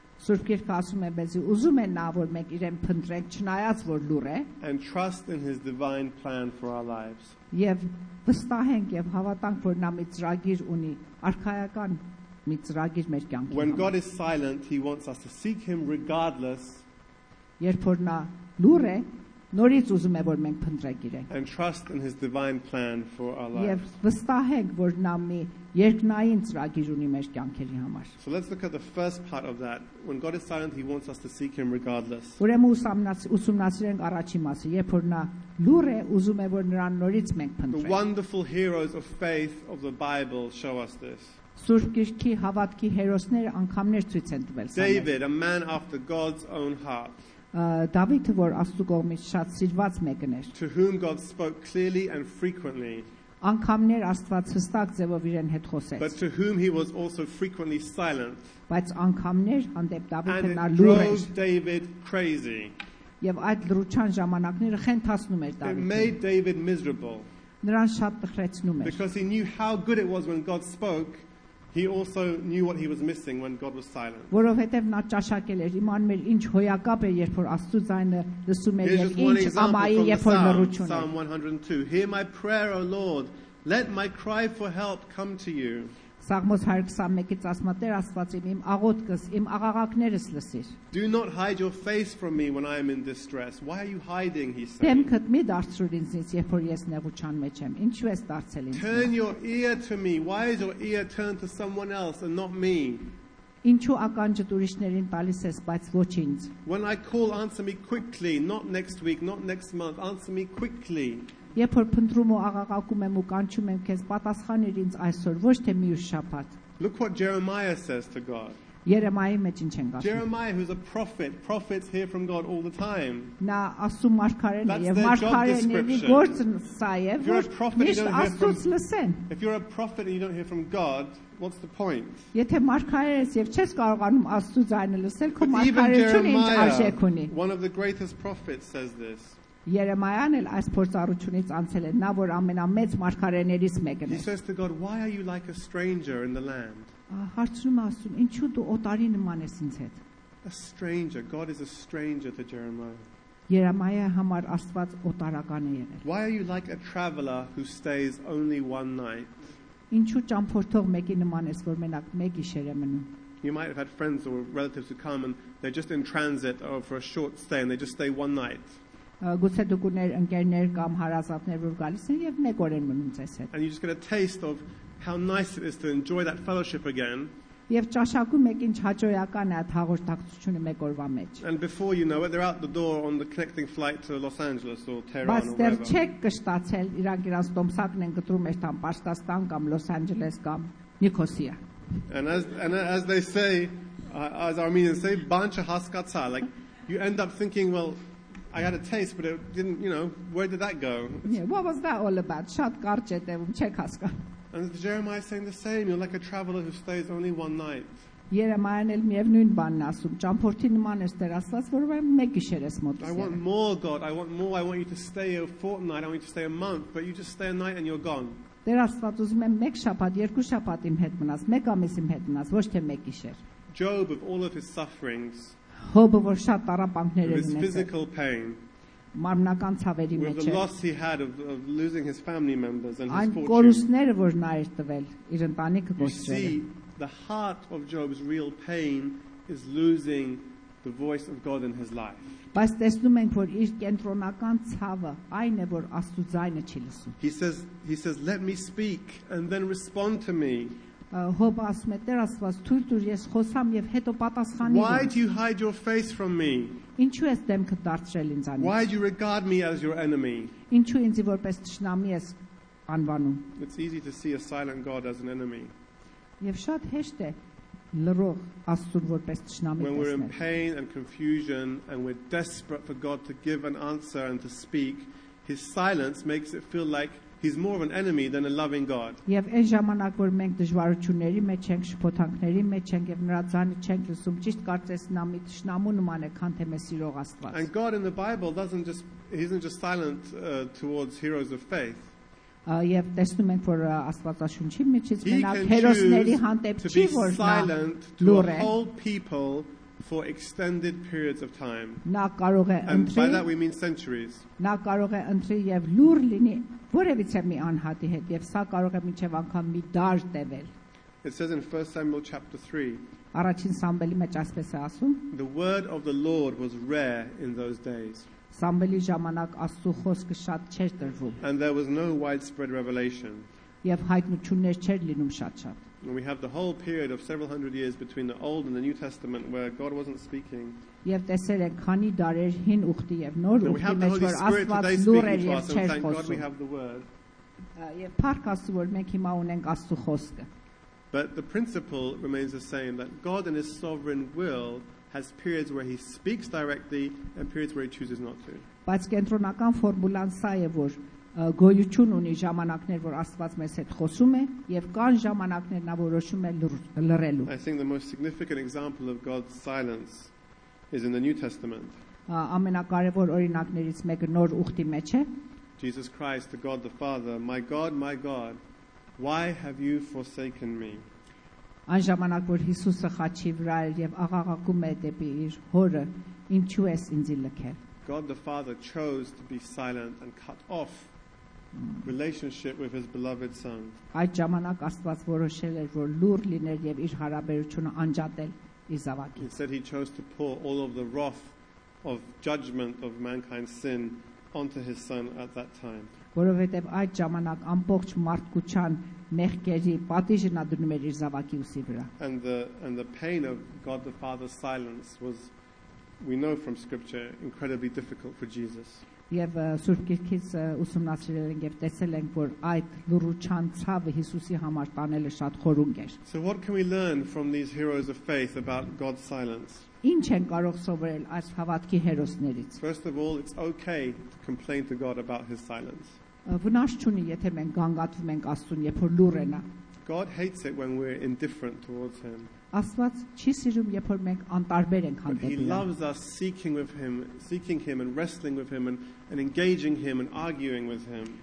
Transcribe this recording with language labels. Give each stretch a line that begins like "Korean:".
Armenian: Սուրբ Գիրքը ասում է, բայց ուզում են նա, որ մենք իրեն փնտրենք, չնայած որ լուր է։
English: And trust in his divine plan for our lives.
Armenian: Եվ վստահենք եւ հավատանք, որ նա մի ծրագիր ունի, արքայական մի ծրագիր մեր կյանքի համար։
English: When God is silent, he wants us to seek him regardless.
Armenian: Երբ որ նա լուր է, նորից ուզում է, որ մենք փնտրենք իրեն։
English: And trust in his divine plan for our lives.
Armenian: Եվ վստահենք, որ նա մի երկնային ծրագիր ունի մեր կյանքերի համար։
English: So let's look at the first part of that. When God is silent, he wants us to seek him regardless.
Armenian: Ուրեմն ուսումնասիրենք առաջին մասը, երբ որ նա լուր է, ուզում է, որ նրան նորից մենք փնտրենք։
English: The wonderful heroes of faith of the Bible show us this.
Armenian: Սուրբ Գիրքի հավատքի հերոսները անգամներ ցույց են տվել սա։
English: David, a man after God's own heart.
Armenian: Դավիթը, որ Աստծո կողմից շատ սիրված մեկն էր։
English: To whom God spoke clearly and frequently.
Armenian: Անկամներ Աստված հստակ ձևով իրեն հետ խոսեց։
English: But to whom he was also frequently silent.
Armenian: Բայց անկամներ հանդեպ Դավիթը նա լուր էր։ Եվ այդ լրության ժամանակները խենթացնում էր Դավիթին։
English: It made David miserable.
Armenian: Նրան շատ տխրեցնում էր։
English: Because he knew how good it was when God spoke, he also knew what he was missing when God was silent.
Armenian: Որովհետև նա ճաշակել էր, իմանում էր ինչ հոյակապ է, երբ որ Աստծո ձայնը լսում էր եւ ինչ ամայի երբ որ լռություն է։
English: Psalm 102. Hear my prayer, O Lord. Let my cry for help come to you.
Armenian: Սաղմոս 121-ից ասում է Տեր Աստված, իմ աղոթքս, իմ աղաղակներս լսիր։
English: Do not hide your face from me when I am in distress. Why are you hiding, he said.
Armenian: Դեմքդ մի դարձրու ինձ, երբ որ ես նեղության մեջ եմ։ Ինչու ես դարձել ինձ։
English: Turn your ear to me. Why is your ear turned to someone else and not me?
Armenian: Ինչու ականջդ ուրիշներին տալիս ես, բայց ոչինձ.
English: When I call, answer me quickly, not next week, not next month, answer me quickly.
Armenian: Երբ որ փնտրում ու աղաղակում եմ ու կանչում եմ քեզ, պատասխաներ ինձ այսօր, ոչ թե մյուս շաբաթ.
English: Look what Jeremiah says to God.
Armenian: Երեմայի մեջ ինչ են ասում.
English: Jeremiah, who's a prophet, prophets hear from God all the time.
Armenian: Նա ասում մարգարեն եւ մարգարենի գործն սա է, որ միշտ Աստծոս լսեն.
English: If you're a prophet and you don't hear from God, what's the point?
Armenian: Եթե մարգարեն ես եւ չես կարողանում Աստծո ձայնը լսել, քո մարգարեն ինչ արժեք ունի.
English: One of the greatest prophets says this.
Armenian: Երեմայան էլ այս փորձառությունից անցել է, նա որ ամենամեծ մարգարեներից մեկն է.
English: He says to God, why are you like a stranger in the land?
Armenian: Հարցնում ասում, ինչու դու օտարի նման ես ինձ հետ?
English: A stranger, God is a stranger to Jeremiah.
Armenian: Երեմայա համար Աստված օտարական է եղել.
English: Why are you like a traveler who stays only one night?
Armenian: Ինչու ճամփորդող մեկի նման ես, որ մենակ մեկ գիշեր է մնում?
English: You might have had friends or relatives who come and they're just in transit or for a short stay and they just stay one night.
Armenian: Գուցե դուք ուներ ընկերներ կամ հարազատներ, որ գալիս են եւ մեկ օր են մնում ձեզ հետ.
English: And you just get a taste of how nice it is to enjoy that fellowship again.
Armenian: Եվ ճաշակում եք ինչ հաջողական է այդ հաղորդակցությունը մեկ օրվա մեջ.
English: And before you know it, they're out the door on the connecting flight to Los Angeles or Tehran.
Armenian: Բայց դեռ չեք կշտացել, իրանք իրանց տոմսակն են գտրում այդ տան Պարսկաստան կամ Լոս Անջելես կամ Նիկոսիա.
English: And as they say, as Armenians say,
Armenian: banch haskatsa,
English: like you end up thinking, well, I had a taste, but it didn't, you know, where did that go? Yeah, what was that all about?
Armenian: Շատ կարճ է տևում, չեք հասկանում.
English: And Jeremiah is saying the same. You're like a traveler who stays only one night.
Armenian: Երեմայան էլ միևնույն բանն ասում. Ճամփորդի նման ես դեր ասած, որ ուրեմն մեկ գիշեր ես մոտս եկել.
English: I want more, God. I want more. I want you to stay a fortnight. I want you to stay a month. But you just stay a night and you're gone.
Armenian: Դեր ասած, ուզում եմ մեկ շաբաթ, երկու շաբաթ իմ հետ մնաս, մեկ ամիս իմ հետ մնաս, ոչ թե մեկ գիշեր.
English: Job, of all of his sufferings,
Armenian: Հոբը որ շատ տառապանքներ ունեցել.
English: His physical pain.
Armenian: Մարմնական ցավերի մեջ էր.
English: Loss he had of losing his family members and his
Armenian: Այն
English: fortune.
Armenian: Այն կորուստները, որ նա էր տվել իր ընտանիքը կորցրել։
English: The heart of Job's real pain is losing the voice of God in his life.
Armenian: Բայց տեսնում ենք, որ իր կենտրոնական ցավը այն է, որ Աստծո ձայնը չի լսում։
English: He says let me speak and then respond to me.
Armenian: Հոբ ասում է, Տեր Աստված, թույլ տուր ես խոսամ եւ հետո պատասխանի։
English: Why do you hide your face from me?
Armenian: Ինչու ես դեմքը դարձրել ինձանից։
English: Why do you regard me as your enemy?
Armenian: Ինչու ինձ որպես ճշնամի ես անվանում։
English: It's easy to see a silent God as an enemy.
Armenian: Եվ շատ հեշտ է լրող Աստծուն որպես ճշնամի տեսնել։
English: When we're in pain and confusion and we're desperate for God to give an answer and to speak, his silence makes it feel like he's more of an enemy than a loving God.
Armenian: Եվ այն ժամանակ, որ մենք դժվարությունների մեջ ենք, շփոթանքների մեջ ենք եւ նրա ձայնը չենք լսում, ճիշտ կարծես նա մի ճշնամու նման է, քան թե մեզ սիրող Աստված։
English: And God in the Bible isn't just silent towards heroes of faith.
Armenian: Եվ տեսնում ենք, որ Աստվածաշունչի մեջից մենակ հերոսների հանդեպ չի, որ լուր է
English: all people for extended periods of time.
Armenian: Նա կարող է ընտրի։
English: And by that we mean centuries.
Armenian: Նա կարող է ընտրի եւ լուր լինի որևիցե մի անհատի հետ եւ սա կարող է միջև անգամ մի դար տևել։
English: It says in 1 Samuel chapter 3.
Armenian: Առաջին Սամբելի մեջ այսպես է ասում.
English: The word of the Lord was rare in those days.
Armenian: Սամբելի ժամանակ Աստծո խոսքը շատ չէր տրվում։
English: And there was no widespread revelation.
Armenian: Եվ հայտնություններ չէր լինում շատ-շատ։
English: And we have the whole period of several hundred years between the Old and the New Testament where God wasn't speaking.
Armenian: Եվ տեսել են քանի դարեր հին ուխտի եւ նոր ուխտի մեջ, որ Աստված լուր էր եւ չէր խոսում։ Եվ փառք Աստծո, որ մենք հիմա ունենք Աստծո խոսքը։
English: But the principle remains the same, that God in his sovereign will has periods where he speaks directly and periods where he chooses not to.
Armenian: Բայց կենտրոնական ֆորմուլան սա է, որ գոյություն ունի ժամանակներ, որ Աստված մեզ հետ խոսում է, եւ կան ժամանակներ, նա որոշում է լռելու։
English: I think the most significant example of God's silence is in the New Testament.
Armenian: Ամենակարևոր օրինակներից մեկը նոր ուխտի մեջ է։
English: Jesus Christ to God the Father, my God, why have you forsaken me?
Armenian: Այն ժամանակ, որ Հիսուսը խաչի վրա էր եւ աղաղակում է դեպի իր Հորը, ինչու ես ինձ լքել։
English: God the Father chose to be silent and cut off relationship with his beloved son.
Armenian: Այդ ժամանակ Աստված որոշել էր, որ լուր լիներ եւ իր հարաբերությունը անջատել Իզավակին։
English: He said he chose to pour all of the wrath of judgment of mankind's sin onto his son at that time.
Armenian: Որովհետև այդ ժամանակ ամբողջ մարդկության մեղքերի պատիժը նա դնում էր իր զավակի ուսի վրա.
English: And the pain of God the Father's silence was, we know from scripture, incredibly difficult for Jesus.
Armenian: Եվ Սուրբ Գիրքից ուսումնասիրել ենք եւ տեսել ենք, որ այդ լռության ցավը Հիսուսի համար տանելը շատ խորունգ էր.
English: So what can we learn from these heroes of faith about God's silence?
Armenian: Ինչ են կարող սովորել այս հավատքի հերոսներից?
English: First of all, it's okay to complain to God about his silence.
Armenian: Վնաս չունի, եթե մենք գանգատվում ենք Աստծուն, երբ որ լուռ է նա.
English: God hates it when we're indifferent towards him.
Armenian: Աստված չի սիրում, երբ որ մենք անտարբեր ենք հանդեպ նրա.
English: He loves us seeking him and wrestling with him and engaging him and arguing with him.